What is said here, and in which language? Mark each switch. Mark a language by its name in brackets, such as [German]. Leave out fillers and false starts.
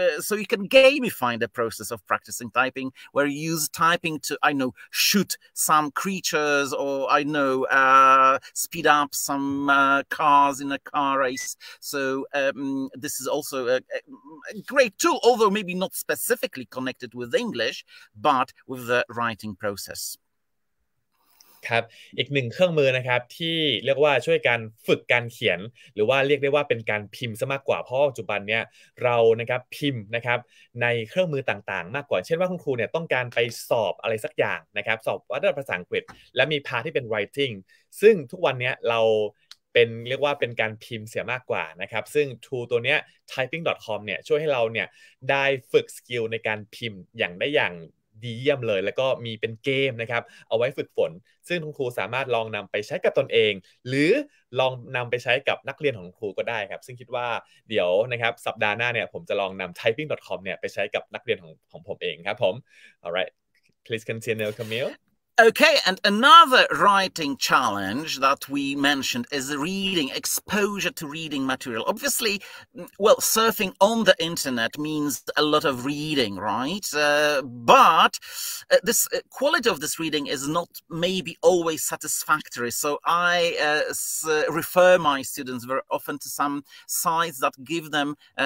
[English] So you can gamify the process of practicing typing, where you use typing to, I know, shoot some creatures or, I know, speed up some cars in a car race. So this is also a great tool, although maybe not specifically connected with English, but with the writing. Writing process. [Thai] ครับอีกหนึ่งเครื่องมือนะครับที่เรียกว่าช่วยการฝึกการเขียนหรือว่าเรียกได้ว่าเป็นการพิมพ์ซะมากกว่าเพราะปัจจุบันเนี้ยเรานะครับพิมพ์นะครับในเครื่องมือต่างๆมากกว่าเช่นว่าคุณครูเนี่ยต้องการไปสอบอะไรสักอย่างนะครับสอบวัดภาษาอังกฤษและมีพาร์ทที่เป็น writing ซึ่งทุกวันเนี้ยเรา เป็นเรียกว่าเป็นการพิมพ์เสียมากกว่านะครับซึ่ง tool ตัวเนี้ย typing.com เนี่ยช่วยให้เราเนี่ยได้ฝึกสกิลในการพิมพ์อย่างได้อย่างดีเยี่ยมเลยแล้วก็มีเป็นเกมนะครับเอาไว้ฝึกฝนซึ่งคุณครูสามารถลองนำไปใช้กับตนเองหรือลองนำไปใช้กับนักเรียนของครูก็ได้ครับซึ่งคิดว่าเดี๋ยวนะครับสัปดาห์หน้าเนี่ยผมจะลองนำ typing.com เนี่ยไปใช้กับนักเรียนของผมเองครับผม [English] alright please continue Camille okay and another writing challenge that we mentioned is reading exposure to reading material obviously well surfing on the internet means a lot of reading right but this quality of this reading is not maybe always satisfactory so I refer my students very often to some sites that give them